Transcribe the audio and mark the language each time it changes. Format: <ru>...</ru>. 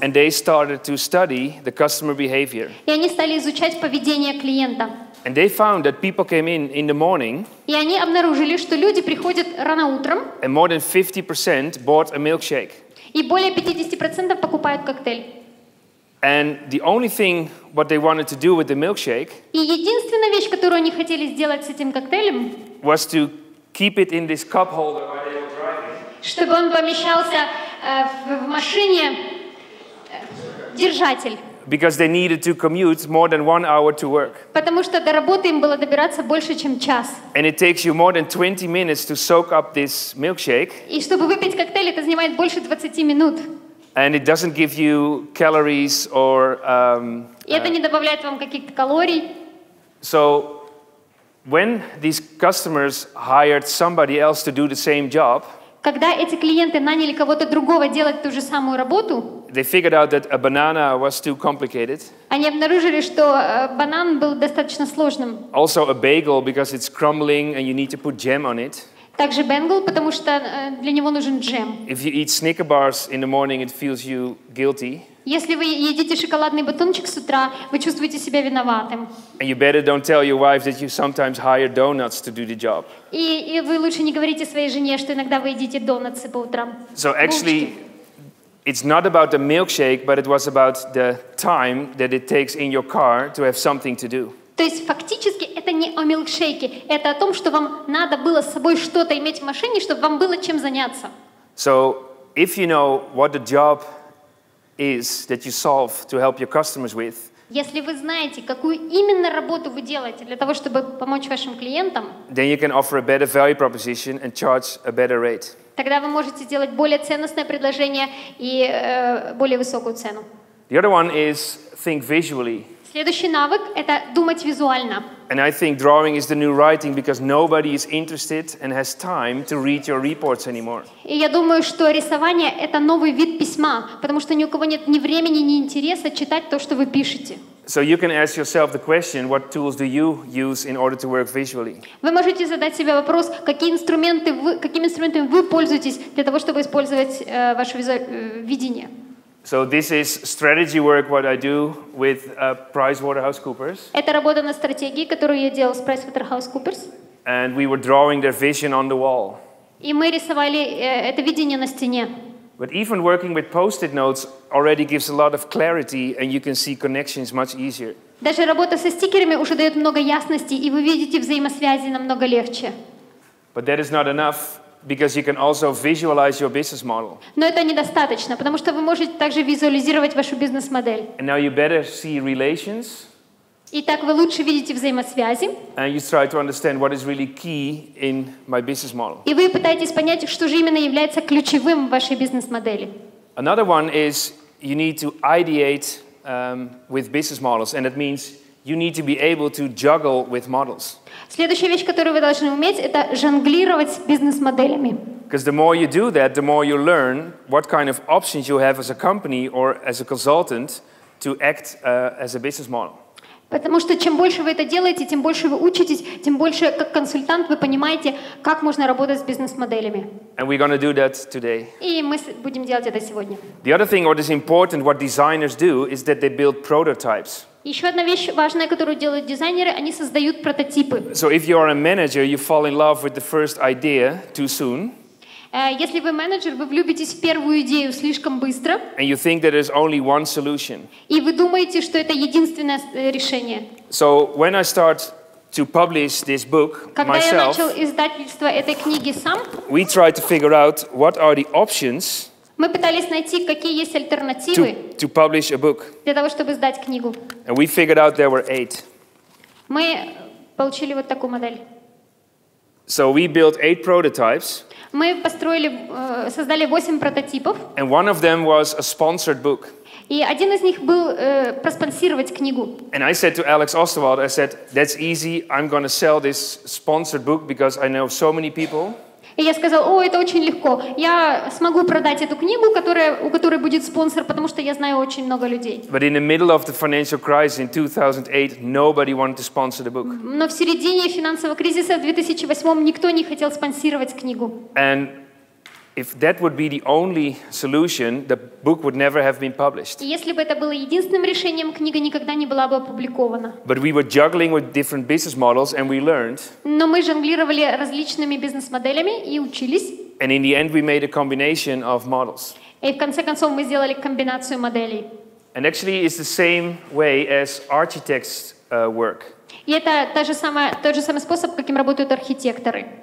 <en>And they started to study the customer behavior.</en> <ru>И они стали изучать поведение клиента.</ru> <en>And they found that people came in the morning.</en> <ru>И они обнаружили, что люди приходят рано утром.</ru> <en>And more than 50% bought a milkshake.</en> <ru>И более 50% покупают коктейль.</ru> <en>And the only thing what they wanted to do with the milkshake.</en> <ru>И единственная вещь, которую они хотели сделать с этим коктейлем.</ru> <en>Was to keep it in this cup holder while they were driving.</en> <ru>Чтобы он помещался в машине держатель.</ru> <en>Because they needed to commute more than 1 hour to work.</en> <ru>Потому что до работы им было добираться больше, чем час.</ru> <en>And it takes you more than 20 minutes to soak up this milkshake.</en> <ru>И чтобы выпить коктейль, это занимает больше 20 минут.</ru> <en>And it doesn't give you calories or...</en> <ru>И это не добавляет вам каких-то калорий.</ru> <en>So when these customers hired somebody else to do the same job,</en> <ru>когда эти клиенты наняли кого-то другого делать ту же самую работу,</ru> <en>they figured out that a banana was too complicated.</en> <ru>Они обнаружили, что банан был достаточно сложным.</ru> <en>Also a bagel because it's crumbling and you need to put jam on it.</en> <ru>Также бенгл, потому что для него нужен джем.</ru> <en>If you eat Snickers bars in the morning, it feels you guilty.</en> <ru>Если вы едите шоколадный батончик с утра, вы чувствуете себя виноватым.</ru> <en>And you better don't tell your wife that you sometimes hire donuts to do the job.</en> <ru>И вы лучше не говорите своей жене, что иногда вы едите донатсы по утрам.</ru> <en>So actually, it's not about the milkshake, but it was about the time that it takes in your car to have something to do.</en> <ru>То есть фактически это не о милкшейке, это о том, что вам надо было с собой что-то иметь в машине, чтобы вам было чем заняться.</ru> <en>So if you know what the job is that you solve to help your customers with.</en> <ru>Если вы знаете, какую именно работу вы делаете для того, чтобы помочь вашим клиентам,</ru> <en>then you can offer a better value proposition and charge a better rate.</en> <ru>Тогда вы можете делать более ценностное предложение и более высокую цену.</ru> <en>The other one is think visually.</en> <ru>Следующий навык — это думать визуально.</ru> <en>And I think drawing is the new writing because nobody is interested and has time to read your reports anymore.</en> <ru>И я думаю, что рисование — это новый вид письма, потому что ни у кого нет ни времени, ни интереса читать то, что вы пишете.</ru> <en>So you can ask yourself the question, what tools do you use in order to work visually?</en> <ru>Вы можете задать себе вопрос, какими инструментами вы пользуетесь для того, чтобы использовать ваше видение.</ru> <en>So this is strategy work what I do with PricewaterhouseCoopers.</en> <ru>Это работа на стратегии, которую я делал с PricewaterhouseCoopers.</ru> <en>And we were drawing their vision on the wall.</en> <ru>И мы рисовали это видение на стене.</ru> <en>But even working with post-it notes already gives a lot of clarity and you can see connections much easier.</en> <ru>Даже работа со стикерами уже дает много ясности, и вы видите взаимосвязи намного легче.</ru> <en>But that is not enough. Because you can also visualize your business model.</en> <ru>Но это недостаточно, потому что вы можете также визуализировать вашу бизнес-модель.</ru> <en>And now you better see relations.</en> <ru>И так вы лучше видите взаимосвязи.</ru> <en>And you try to understand what is really key in my business model.</en> <ru>И вы пытаетесь понять, что же именно является ключевым в вашей бизнес-модели.</ru> <en>Another one is you need to ideate with business models, and that means you need to be able to juggle with models.</en> <ru>Следующая вещь, которую вы должны уметь, это жонглировать с бизнес-моделями.</ru> <en>Because the more you do that, the more you learn what kind of options you have as a company or as a consultant to act as a business model.</en> <ru>Потому что чем больше вы это делаете, тем больше вы учитесь, тем больше как консультант вы понимаете, как можно работать с бизнес-моделями.</ru> <en>And we're going to do that today.</en> <ru>И мы будем делать это сегодня.</ru> <en>The other thing what is important what designers do is that they build prototypes.</en> <ru>Еще одна вещь важная, которую делают дизайнеры, они создают прототипы.</ru> <en>So if you are a manager, you fall in love with the first idea too soon.</en> <ru>Если вы менеджер, вы влюбитесь в первую идею слишком быстро.</ru> <en>And you think that there's only one solution.</en> <ru>И вы думаете, что это единственное решение.</ru> <en>So when I start to publish this book</en> <ru>Когда</ru> <en>myself,</en> <ru>я начал издательство этой книги сам,</ru> <en>we try to figure out what are the options</en> <ru>Мы пытались найти, какие есть альтернативы</ru> <en>to publish a book.</en> <ru>Для того, чтобы издать книгу.</ru> <en>And we figured out there were eight.</en> <ru>Мы получили вот такую модель.</ru> <en>So we built eight prototypes.</en> <ru>Мы построили, создали 8 прототипов.</ru> <en>And one of them was a sponsored book.</en> <ru>И один из них был проспонсировать книгу.</ru> <en>And I said to Alex Osterwald, I said, that's easy, I'm going to sell this sponsored book because I know so many people.</en> <ru>И я сказал, о, это очень легко. Я смогу продать эту книгу, которая, у которой будет спонсор, потому что я знаю очень много людей.</ru> <en>But in the middle of the financial crisis in 2008, nobody wanted to sponsor the book.</en> <ru>Но в середине финансового кризиса в 2008 никто не хотел спонсировать книгу.</ru> <en>And if that would be the only solution, the book would never have been published.</en> <ru>Если бы это было единственным решением, книга никогда не была бы опубликована.</ru> <en>But we were juggling with different business models and we learned.</en> <ru>Но мы жонглировали различными бизнес-моделями и учились.</ru> <en>And in the end we made a combination of models.</en> <ru>И в конце концов мы сделали комбинацию моделей.</ru> <en>And actually it's the same way as architects work.</en> <ru>И это тот же самый способ, каким работают архитекторы.</ru>